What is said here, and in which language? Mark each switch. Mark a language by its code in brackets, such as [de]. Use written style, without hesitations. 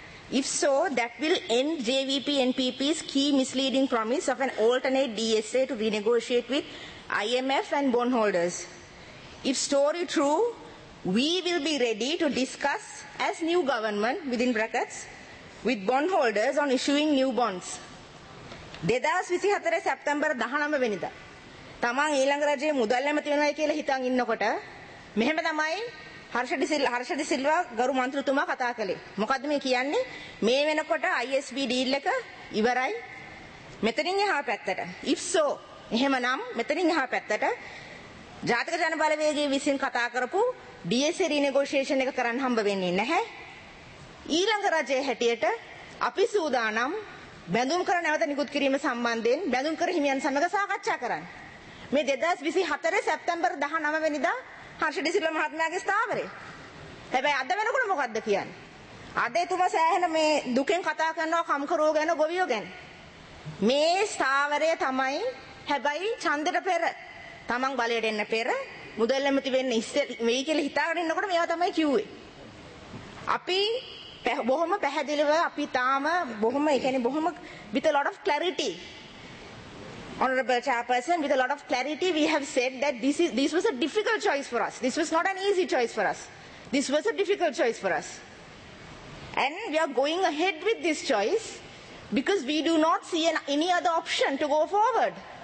[en] If so, that will end JVP NPP's key misleading promise of an alternate DSA to renegotiate with IMF and bondholders. If story true, we will be ready to discuss as new government within brackets with bondholders on issuing new bonds. [si] 2024 සැප්තැම්බර් 19 වෙනිදා තමන් ඊළඟ රජයේ මුදල් ඇමති වෙනවායි කියලා හිතන් ඉන්නකොට මෙහෙම තමයි හර්ෂ ඩිසිල්වා ගරු මන්ත්‍රීතුමා කතා කළේ. මොකද්ද මේ කියන්නේ? මේ වෙනකොට ISB ඩීල් එක ඉවරයි මෙතනින් එහා පැත්තට. If so, එහෙමනම් මෙතනින් එහා පැත්තට ජාතික ජන බලවේගය විසින් කතා කරපු DSA රීනෙගෝෂියේෂන් එක කරන්න හම්බ වෙන්නේ නැහැ. ඊළඟ රජයේ හැටියට අපි සූදානම් බැඳුම් කර නැවත නිකුත් කිරීම සම්බන්ධයෙන් බැඳුම් කර හිමියන් සමග සාකච්ඡා කරන්න. මේ 2024 සැප්තැම්බර් 19 වෙනිදා හර්ෂ ඩිසිල් මහත්මයාගේ ස්ථාවරේ. හැබැයි අද වෙනකොට මොකද්ද කියන්නේ? අද එතුමා සෑහෙන මේ දුකෙන් කතා කරනවා කම්කරුවෝ ගැන, ගොවියෝ ගැන. මේ ස්ථාවරය තමයි හැබැයි චන්දර පෙර, තමන් බලයට එන්න පෙර, මුදල් ඇමති වෙන්න ඉස්සෙල් වෙයි කියලා හිතාගෙන ඉන්නකොට මේවා තමයි කිව්වේ. අපි බොහොම පැහැදිලිව, අපි තාම බොහොම, ඒ කියන්නේ බොහොම [en] with a lot of clarity, honorable chairperson, with a lot of clarity we have said that this was a difficult choice for us, this was not an easy choice for us, this was a difficult choice for us, and we are going ahead with this choice because we do not see any other option to go forward.